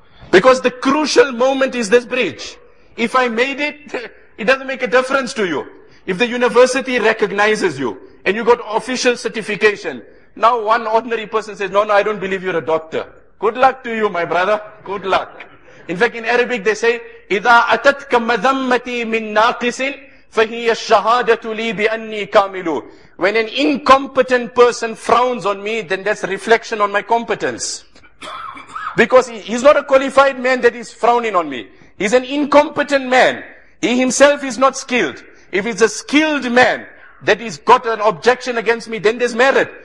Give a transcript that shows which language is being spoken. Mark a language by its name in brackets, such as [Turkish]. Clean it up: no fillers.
[English] Because the crucial moment is this bridge. If I made it, it doesn't make a difference to you. If the university recognizes you and you got official certification, now one ordinary person says, no, I don't believe you're a doctor. Good luck to you, my brother. Good luck. In fact, in Arabic, they say, [Arabic] إِذَا أَتَتْكَ مَذَمَّتِي مِن نَاقِسٍ فَهِيَ الشَّهَادَةُ لِي بِأَنِّي كَامِلُ. [English] When an incompetent person frowns on me, then that's reflection on my competence. Because he's not a qualified man that is frowning on me. He's an incompetent man. He himself is not skilled. If he's a skilled man that he's got an objection against me, then there's merit.